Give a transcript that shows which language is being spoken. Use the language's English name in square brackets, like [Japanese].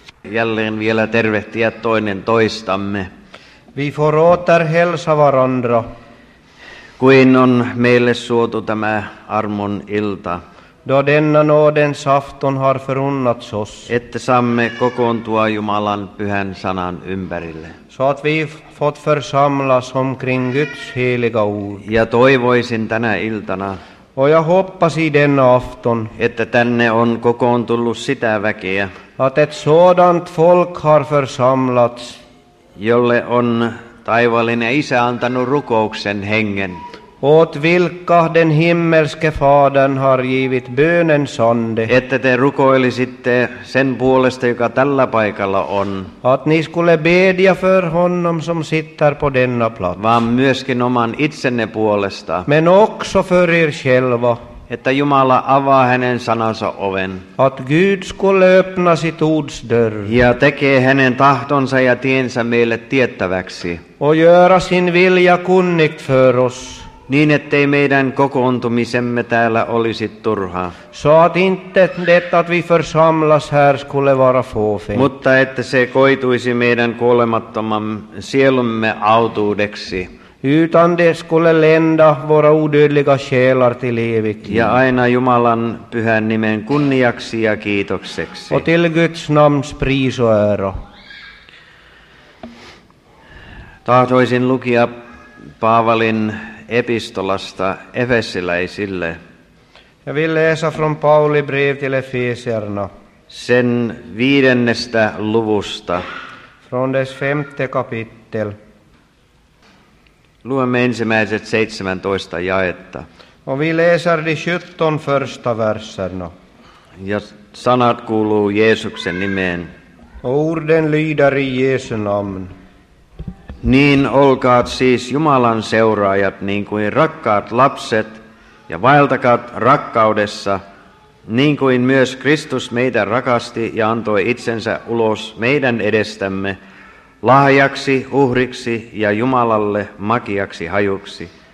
[Finnish] Jälleen vielä tervehtiä toinen toistamme. [Swedish] Vi får åter hälsa varandra. [Finnish] Kuin on meille suotu tämä armon ilta. [Swedish] Då denna nådens afton har förunnats oss. [Finnish] Että saamme kokoontua Jumalan pyhän sanan ympärille. [Swedish] Så att vi fått församlas omkring Guds heliga ord. [Finnish] Ja toivoisin tänä iltana. [Swedish] Och jag hoppas i denna afton. [Finnish] Että tänne on kokoontullut sitä väkeä. [Swedish] Att ett sådant folk har församlats. [Finnish] Jolle on taivaallinen isä antanut rukouksen hengen. [Swedish] Åt vilka den himmelske fadern har givit bönen sande. [Finnish] Että te rukoilisitte sen puolesta, joka tällä paikalla on. [Swedish] Att ni skulle bedja för honom som sitter på denna plats. [Finnish] Vaan myöskin oman itsenne puolesta. [Swedish] Men också för er själva. [Finnish] Että Jumala avaa hänen sanansa oven. [Swedish] Att Gud skulle öppna sitt ords dörr. [Finnish] Ja tekee hänen tahtonsa ja tiensä meille tiettäväksi. [Swedish] Och göra sin vilja kunnigt för oss. [Finnish] Niin ettei meidän kokoontumisemme täällä olisi turhaa. [Swedish] Så att inte det att vi församlas här skulle vara fåfängt. [Finnish] Mutta että se koituisi meidän kuolemattoman sielumme autuudeksi. [Swedish] Utan det skulle lända våra odödliga själar till evigt. [Finnish] Ja aina Jumalan pyhän nimen kunniaksi ja kiitokseksi. [Swedish] Och till Guds namns pris och ära. [Finnish] Tahtoisin lukia Paavalin epistolasta efesiläisille. [Swedish] Jag vill läsa från Pauli brev till Efesierna. [Finnish] Sen 5. luvusta. [Swedish] Från dess 5. kapitel. [Finnish] Luemme ensimmäiset 17 jaetta. [Swedish] Och vi läser de 17 första verserna. [Finnish] Ja sanat kuuluu Jeesuksen nimeen. [Swedish] Och orden lyder i Jesu namn. [Finnish] Niin olkaat siis Jumalan seuraajat niin kuin rakkaat lapset ja vaeltakaat rakkaudessa, niin kuin myös Kristus meitä rakasti ja antoi itsensä ulos meidän edestämme lahjaksi, uhriksi ja Jumalalle makiaksi hajuksi.